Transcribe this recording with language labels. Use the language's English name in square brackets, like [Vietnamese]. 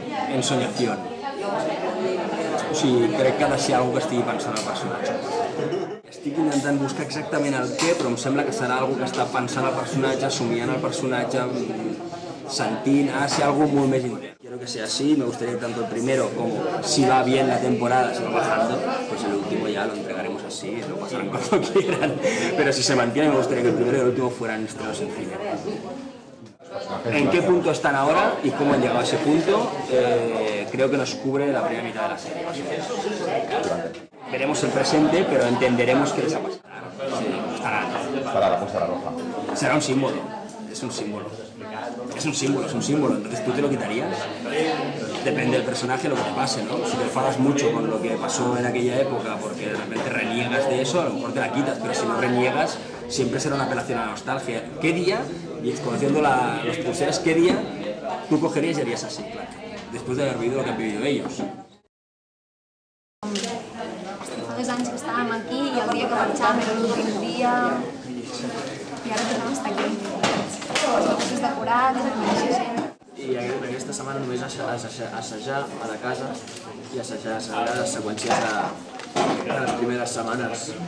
[Catalan] ensoñación. O sigui, crec que ha de ser algú que estigui pensant el personatge. Estic intentant buscar exactament el què, però em sembla que serà algú que està pensant el personatge, somiant el personatge, sentint, si algú molt més intent. [Spanish] Quiero que sea así, me gustaría tanto el primero como si va bien la temporada, si va bajando, pues el último ya lo entregaremos así, lo pasarán cuando quieran. Pero si se mantiene, me gustaría que el primero y el último fueran estrenos en cine. ¿En qué punto están ahora y cómo han llegado a ese punto? Creo que nos cubre la primera mitad de la serie. Veremos el presente, pero entenderemos qué les ha pasado. Sí, estará la pulsera roja. Será un símbolo. Es un símbolo. Es un símbolo, es un símbolo. Entonces, ¿tú te lo quitarías? Depende del personaje lo que te pase, ¿no? Si te enfadas mucho con lo que pasó en aquella época porque de repente reniegas de eso, a lo mejor te la quitas, pero si no reniegas, siempre será una apelación a la nostalgia. ¿Qué día, y conociendo las pulseras, qué día tú cogerías y harías así, claro? Después de haber vivido lo que han vivido ellos. [Catalan] Anys que estàvem aquí i el dia que marxàvem era l'últim dia i ara tothom està aquí. Els negocis decorats, la mateixa gent. I aquesta setmana només deixaràs assajar a la casa i assajar les seqüències de les primeres setmanes.